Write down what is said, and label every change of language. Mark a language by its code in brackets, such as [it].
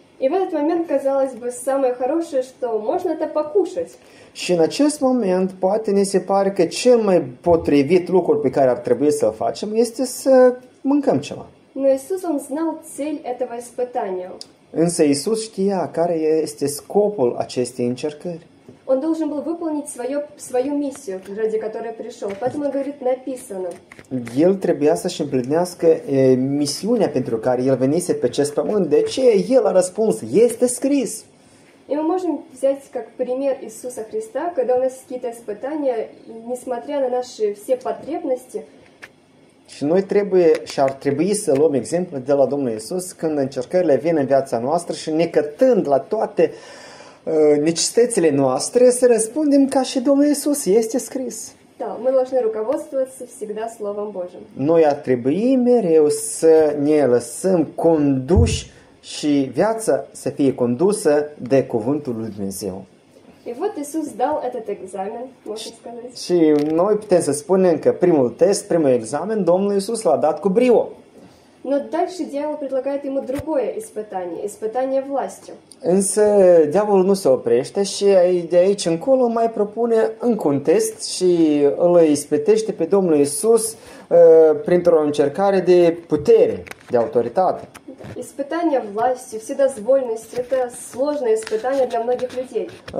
[ru] И в этот момент казалось бы самое хорошее, что можно это покушать. [ro] Și în acest момент poate ni se pare că cel mai potrivit lucru pe care ar trebui să-l facem este să mâncăm ceva. [ru] Но Иисус, Он знал цель этого испытания. [ro] Însă Iisus știa care este scopul acestei încercări. [ru] Он должен был выполнить свою миссию, ради которой пришел. Поэтому, говорит, написано. [ro] El trebuia să-și împlinească misiunea pentru care El venise pe acest pământ. De ce? El a răspuns. Este scris. [ru] И мы можем взять как пример Иисуса Христа, когда у нас есть какие-то испытания, и несмотря на наши все потребности. [ro] Și noi trebuie și ar trebui să luăm exemplu de la Domnul Iisus când încercările vin în viața noastră și necătând la toate necesitățile noastre, să răspundem ca și Domnul Iisus, este scris. [ru] Da, мы должны руководствоваться всегда Словом Божьим. [ro] Noi ar trebui mereu să ne lăsăm conduși și viața să fie condusă de Cuvântul lui Dumnezeu. [ru] И вот Иисус дал этот экзамен, можно сказать. [ro] Și noi putem să spunem că primul тест, primul экзамен Domnul Iisus l-a dat cu brio. [ru] Но дальше дьявол предлагает ему другое испытание, испытание властью. [ro] Însă diavolul nu se oprește și de aici încolo mai propune încă un test și îl ispitește pe Domnul Iisus printr-o încercare de putere, de autoritate. [ru] Испытание власти, вседозвольность – это сложное испытание для многих людей.